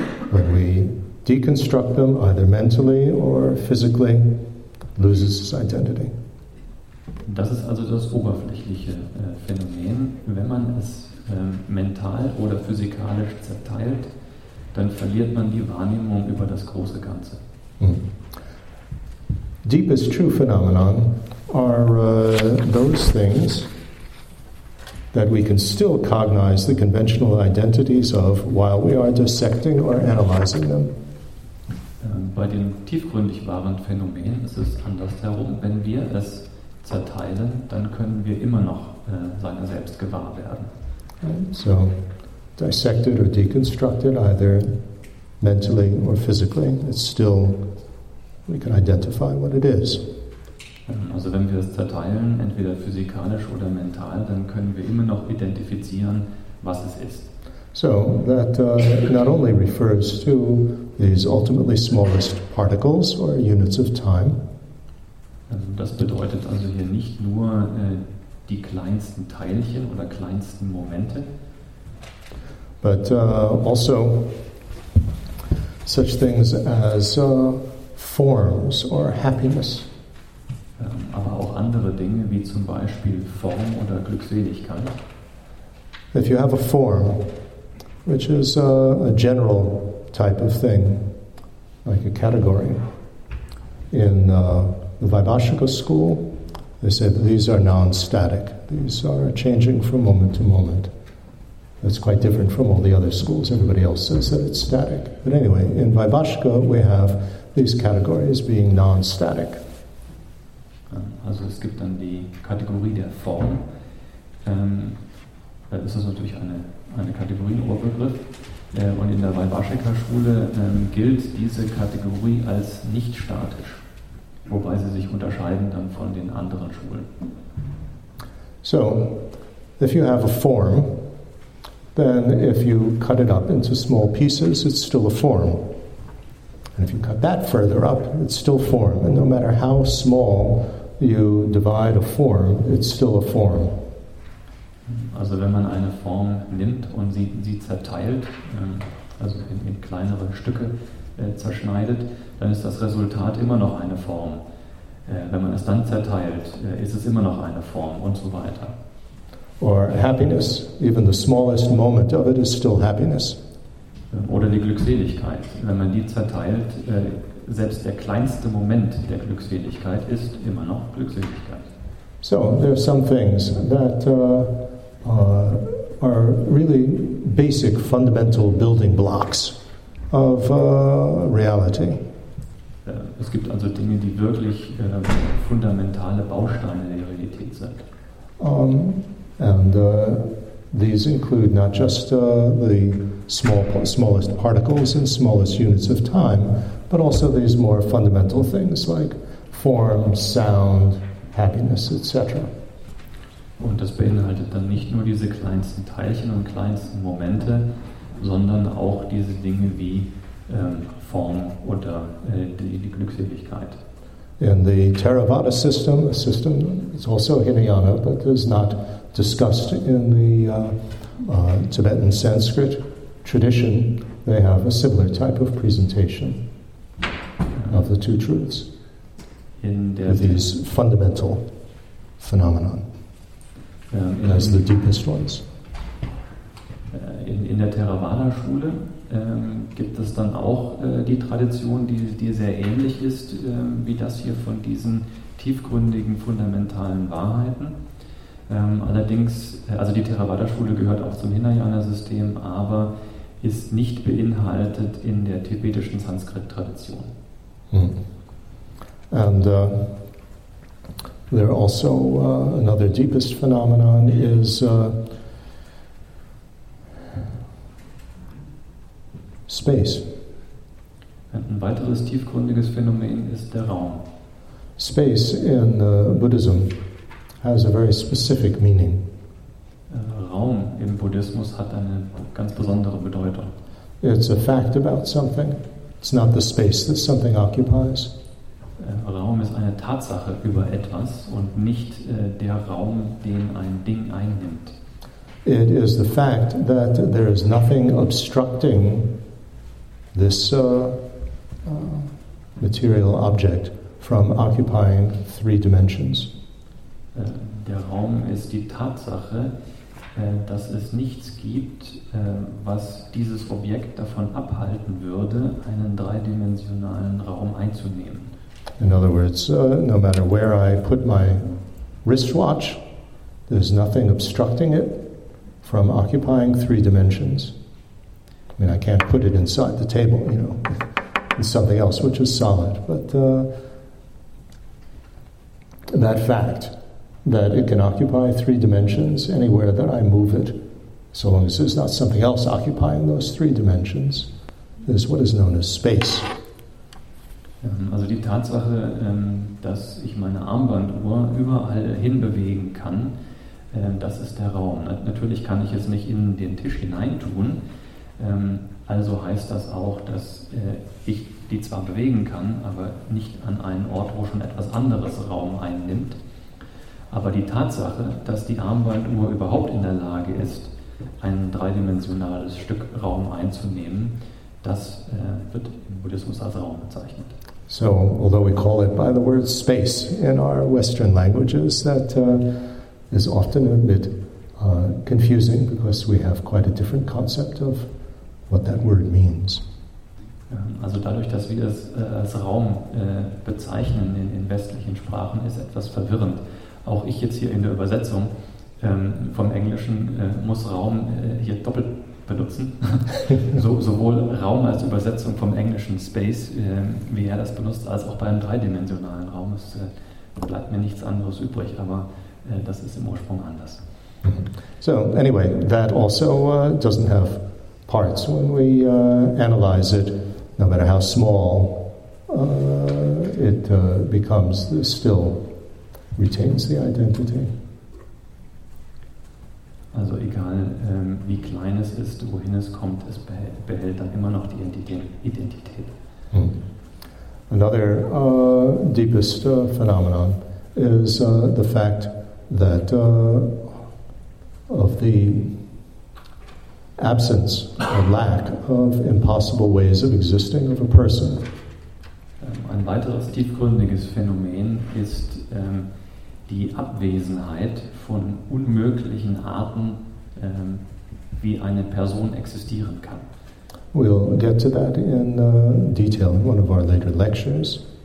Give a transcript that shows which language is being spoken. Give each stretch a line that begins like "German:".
English: When we deconstruct them, either mentally or physically, loses its identity.
German: Das ist also das oberflächliche Phänomen. Wenn man es mental oder physikalisch zerteilt, dann verliert man die Wahrnehmung über das große Ganze.
English: Deepest true phenomenon are those things that we can still cognize the conventional identities of while we are dissecting or analyzing them.
German: Bei den tiefgründig wahren Phänomenen ist es andersherum. Wenn wir es zerteilen, dann können wir immer noch seiner selbst gewahr werden.
English: So, dissected or deconstructed, either mentally or physically, it's still, we can identify what it is.
German: Also wenn wir es zerteilen, entweder physikalisch oder mental, dann können wir immer noch identifizieren, was es ist.
English: So, that not only refers to these ultimately smallest particles or units of time.
German: Also das bedeutet also hier nicht nur die kleinsten Teilchen oder kleinsten Momente.
English: But also such things as forms or happiness.
German: Aber auch andere Dinge, wie zum Beispiel Form oder Glückseligkeit.
English: If you have a form, which is a general type of thing, like a category, in the Vaibhashika school, they say that these are non-static. These are changing from moment to moment. That's quite different from all the other schools. Everybody else says that it's static. But anyway, in Vaibhashika, we have these categories being non-static.
German: Also es gibt dann die Kategorie der Form. Das ist natürlich eine Kategorie, ein Oberbegriff. Und in der Vaibhashika-Schule gilt diese Kategorie als nicht statisch, wobei sie sich unterscheiden dann von den anderen Schulen.
English: So, if you have a form, then if you cut it up into small pieces, it's still a form. And if you cut that further up, it's still form. And no matter how small you divide a form, it's still a form.
German: Also wenn man eine Form nimmt und sie zerteilt, also in kleinere Stücke zerschneidet, dann ist das Resultat immer noch eine Form. Wenn man es dann zerteilt, ist es immer noch eine Form und so weiter.
English: Or happiness, even the smallest moment of it is still happiness.
German: Oder die Glückseligkeit, wenn man die zerteilt, selbst der kleinste Moment der Glückseligkeit ist immer noch Glückseligkeit.
English: So, there are some things that are really basic, fundamental building blocks of reality.
German: Es gibt also Dinge, die wirklich fundamentale Bausteine der Realität sind.
English: These include not just the smallest particles and smallest units of time, but also these more fundamental things like form, sound, happiness, etc.
German: Und das beinhaltet dann nicht nur diese kleinsten Teilchen und kleinsten Momente, sondern auch diese Dinge wie Form oder die Glückseligkeit.
English: In the Theravada system, a system it's also Hinayana, but is not discussed in the Tibetan Sanskrit tradition, they have a similar type of presentation of the two truths.
German: In der
English: these fundamental phenomena as the deepest ones.
German: In der Theravada-Schule gibt es dann auch die Tradition, die sehr ähnlich ist wie das hier von diesen tiefgründigen, fundamentalen Wahrheiten. Allerdings, also die Theravada-Schule gehört auch zum Hinayana-System, aber ist nicht beinhaltet in der tibetischen Sanskrit-Tradition. Hmm.
English: And there also another deepest phenomenon is space.
German: Ein weiteres tiefgründiges Phänomen ist der Raum.
English: Space in Buddhism has a very specific meaning.
German: Raum im Buddhismus hat eine ganz besondere Bedeutung.
English: It's a fact about something. It's not the space that something occupies.
German: Raum ist eine Tatsache über etwas und nicht der Raum, den ein Ding einnimmt.
English: It is the fact that there is nothing obstructing this material object from occupying three dimensions.
German: Der Raum ist die Tatsache, dass es nichts gibt, was dieses Objekt davon abhalten würde, einen dreidimensionalen Raum einzunehmen.
English: In other words, no matter where I put my wristwatch, there's nothing obstructing it from occupying three dimensions. I mean, I can't put it inside the table, you know, in something else which is solid. But that fact that it can occupy three dimensions anywhere that I move it, so long as there's not something else occupying those three dimensions, is what is known as space.
German: Also die Tatsache, dass ich meine Armbanduhr überall hin bewegen kann, das ist der Raum. Natürlich kann ich es nicht in den Tisch hineintun, also heißt das auch, dass ich die zwar bewegen kann, aber nicht an einen Ort, wo schon etwas anderes Raum einnimmt. Aber die Tatsache, dass die Armbanduhr überhaupt in der Lage ist, ein dreidimensionales Stück Raum einzunehmen, das wird im Buddhismus als Raum bezeichnet.
English: So, although we call it by the word space in our Western languages, that is often a bit confusing because we have quite a different concept of what that word means.
German: Also dadurch, dass wir es als Raum bezeichnen in westlichen Sprachen, ist etwas verwirrend. Auch ich jetzt hier in der Übersetzung vom Englischen muss Raum hier doppelt benutzen. Sowohl Raum als Übersetzung vom Englischen Space, wie er das benutzt, als auch beim dreidimensionalen Raum. Es bleibt mir nichts anderes übrig, aber das ist im Ursprung anders.
English: So, anyway, that also doesn't have parts when we analyze it, no matter how small it becomes, still retains the identity.
German: Also egal, wie klein es ist, wohin es kommt, es behält dann immer noch die Identität. Hmm.
English: Another deepest phenomenon is the fact that of the absence or lack of impossible ways of existing of a person.
German: Ein weiteres tiefgründiges Phänomen ist die Abwesenheit von unmöglichen Arten, wie eine Person existieren kann.
English: We'll get to that in detail in one of our later lectures.